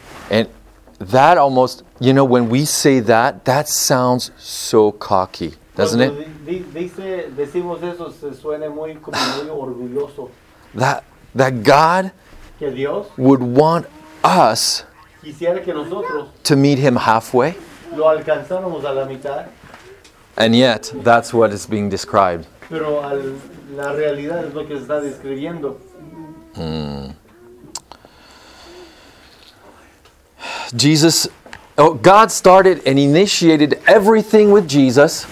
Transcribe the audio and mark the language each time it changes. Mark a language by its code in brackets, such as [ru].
[en] And that almost, you know, when we say that, that sounds so cocky, doesn't it? [es] Decimos eso, se suena muy como muy orgulloso. [en] That God [es] que Dios [en] would want us [es] quisiera que nosotros [en] to meet Him halfway. [es] Lo alcanzáramos a la mitad. [en] And yet, that's what is being described. [es] Pero la realidad es lo que está describiendo. [en] Jesus, oh, God started and initiated everything with Jesus.